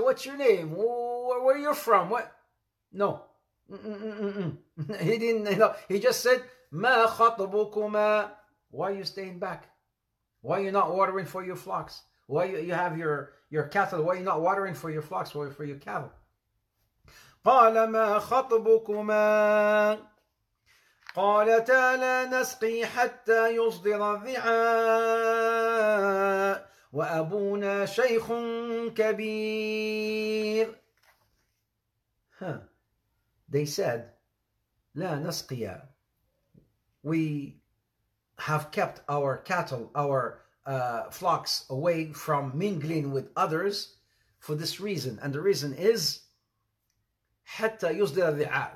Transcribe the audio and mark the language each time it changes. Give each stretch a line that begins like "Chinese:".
English: What's your name? Where are you from? What? No. Mm-mm-mm-mm. He didn't, you know, he just said,
Arabic: ma khatabukuma.
English: Why are you staying back? Why are you not watering for your flocks? Why you have your cattle? Why are you not watering for your flocks? Why for your cattle?
Arabic: قال ما خطبكما قالتا لا نسقي حتى يصدر الرعاء وأبونا شيخ كبير.
English: They said
Arabic: لا نسقي,
English: we have kept our cattle, our flocks away from mingling with others for this reason, and the reason is
Arabic: حَتَّى يُصْدِرَ الرِّعَاءُ.